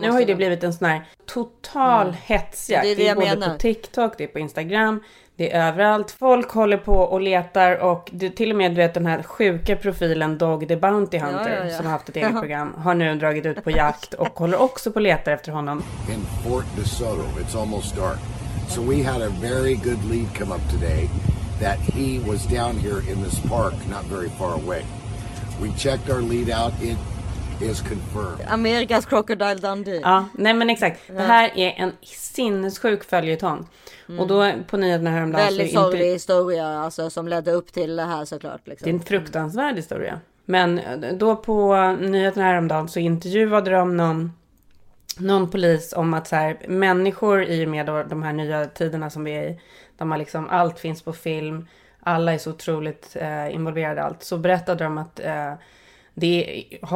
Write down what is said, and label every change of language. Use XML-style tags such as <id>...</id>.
<sv>Nu har ju det blivit en sån här total hetsjakt. Det är det jag menar. Det är både på TikTok, det är på Instagram. Det är överallt. Folk håller på och letar. Och det, till och med du vet, den här sjuka profilen Dog the Bounty Hunter som har haft ett eget program har nu dragit ut på jakt och håller också på och letar efter honom.</sv> <en>In Fort DeSoto, it's almost dark. So we had a very good lead come up today that he was down here in this park not very far away. We checked our lead out, it is confirmed.</en> <sv>Amerikas Crocodile Dundee. Ja, nej men exakt. Ja. Det här är en sinnessjuk följetong. Mm. Och då på nyheterna häromdagen... Väldigt sorglig historia alltså, som ledde upp till det här såklart. Liksom. Det är en fruktansvärd historia. Men då på nyheterna häromdagen så intervjuade de någon polis om att så här, människor i och med de här nya tiderna som vi är i, där man liksom, allt finns på film, alla är så otroligt involverade i allt, så berättade de att det</sv>